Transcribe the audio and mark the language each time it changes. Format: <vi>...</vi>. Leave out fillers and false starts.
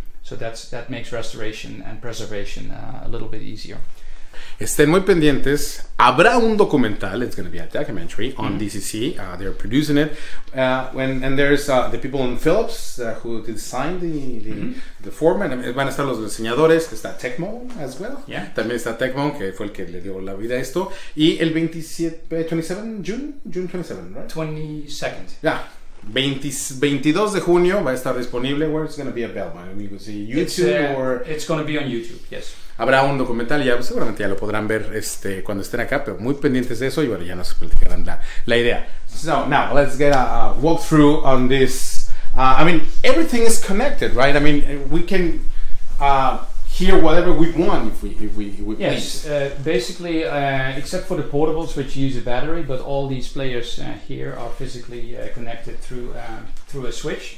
<en>So that makes restoration and preservation a little bit easier.</en> <es>Estén muy pendientes. Habrá un documental.</es> <en>It's going to be a documentary on DCC. They're producing it. And there's the people in Philips who designed the format.</en> <es>Van a estar los diseñadores. Está Tecmo</es> <en>as well. Yeah.</en> <es>También está Tecmo, que fue el que le dio la vida a esto. Y el</es> <en>27, June 27, right? 22nd. Yeah.</en> <es>22 de junio va a estar disponible.</es> <en>Where it's going to be available? We can see YouTube or... It's going to be on YouTube, yes.</en> <es>Habrá un documental, ya seguramente ya lo podrán ver cuando estén acá, pero muy pendientes de eso, y bueno, ya nos platicarán la idea.</es> <en>So, now, let's get a walkthrough on this. I mean, everything is connected, right? I mean, we can hear whatever we want if we please. Yes, basically, except for the portables, which use a battery, but all these players here are physically connected through a switch.</en>